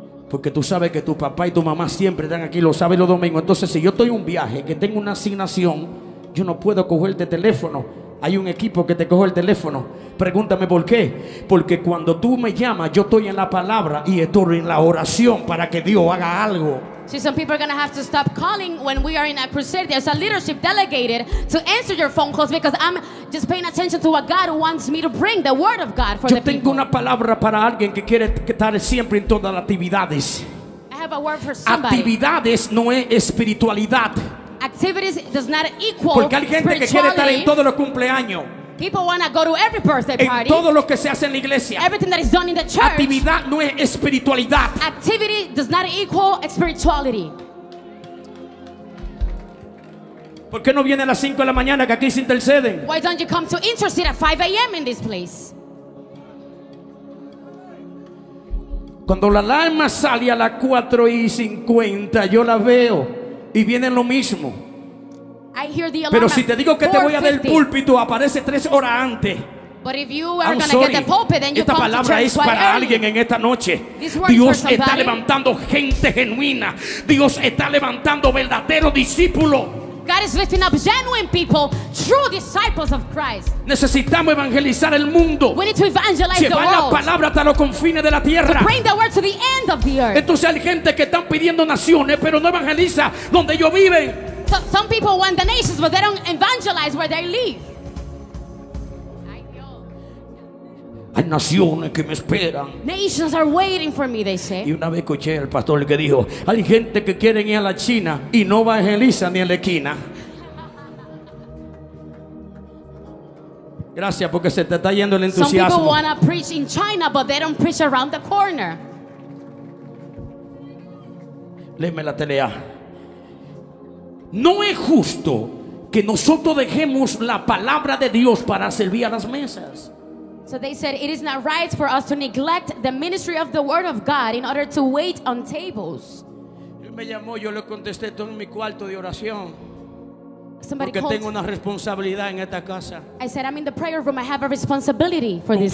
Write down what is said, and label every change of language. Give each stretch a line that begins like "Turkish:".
Spanish: Porque tú sabes que tu papá y tu mamá siempre están aquí, lo sabes los domingos. Entonces, si yo estoy en un viaje, que tengo una asignación, yo no puedo cogerte teléfono. Hay un equipo que te coge el teléfono. Pregúntame por qué. Porque cuando tú me llamas, yo estoy en la palabra y estoy en la oración para que Dios haga algo.
English: See, some people are going to have to stop calling when we are in a crusade. There's a leadership delegated to answer your phone calls because I'm just paying attention to what God wants me to bring, the word of God for
Spanish: Yo
English: the people.
Spanish: Yo tengo una palabra para alguien que quiere estar siempre en todas las actividades.
English: I have a word for somebody.
Spanish: Actividades no es espiritualidad.
English: Activities does not equal
Spanish: Porque hay gente que quiere estar en todos los cumpleaños.
English: People want to go to every birthday party.
Spanish: En todo lo que se hace en la iglesia.
English: Everything that is done in the church.
Spanish: Actividad no es espiritualidad.
English: Activity does not equal spirituality.
Spanish: ¿Por qué no viene a las 5 de la mañana que aquí se interceden?
English: Why don't you come to intercede at 5 a.m. in this place?
Spanish: Cuando la alarma sale a las 4 y 50, yo la veo y viene lo mismo.
English: I hear the alarm
Spanish: Pero si te digo que te voy a dar el púlpito, aparece tres horas antes.
English: But if you are going to get the pulpit, then you
Spanish: esta palabra
English: come to
Spanish: es para alguien en esta noche. Dios está levantando gente genuina. Dios está levantando verdadero discípulo.
English: God is lifting up genuine people, true disciples of Christ.
Spanish: Necesitamos evangelizar el mundo.
English: We need to evangelize the world.
Spanish: Llevar la palabra hasta los confines de la tierra.
English: To bring the word to the end of the earth.
Spanish: Entonces hay gente que están pidiendo naciones, pero no evangeliza donde ellos viven.
English: Some people want the nations, but they don't evangelize where they live.
Spanish: Hay naciones que me esperan.
English: Nations are waiting for me, they say.
Spanish: Y una vez escuché al pastor que dijo, hay gente que quiere ir a la China y no evangeliza ni a la esquina. Gracias, porque se te está yendo el entusiasmo.
English: Some people want to preach in China, but they don't preach around the corner.
Spanish: Léeme la telea. No es justo que nosotros dejemos la palabra de Dios para servir a las mesas.
English: So they said it is not right for us to neglect the ministry of the word of God in order to wait on tables.
Spanish: Él me llamó, yo le contesté, estoy en mi cuarto de oración.
English: Somebody
Spanish: porque tengo una responsabilidad en esta casa.
English: I said I'm in the prayer room, I have a responsibility for this